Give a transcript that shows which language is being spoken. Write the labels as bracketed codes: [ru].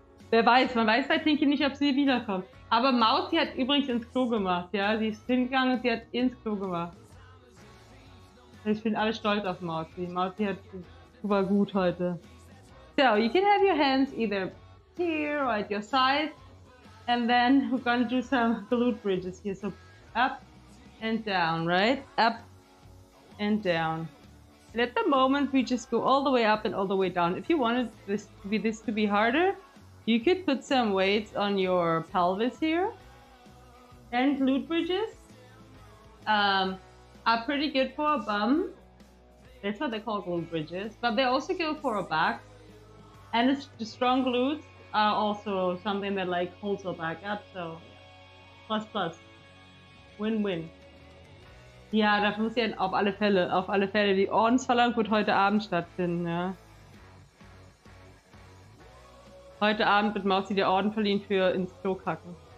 [de] Wer weiß, ich denke nicht, ob sie wiederkommt. Aber Maus, sie hat übrigens ins Klo gemacht, ja. Sie ist hingegangen und sie hat ins Klo gemacht. Ich bin alle stolz auf Maus. Maus, sie hat super gut heute. [en] So, you can have your hands either here or at your side. And then we're gonna do some glute bridges here. So up and down, right? Up and down. And at the moment, we just go all the way up and all the way down. If you wanted this to be harder, you could put some weights on your pelvis here. And glute bridges are pretty good for a bum. That's what they call glute bridges. But they also go for a back. And it's the strong glutes are also something that like holds your back up. So plus plus, win-win. [de] Ja, das muss ja auf alle Fälle, die Ordensverleihung wird heute Abend stattfinden, ja. Heute Abend wird Mausi der Orden verliehen für ins Klo kacken.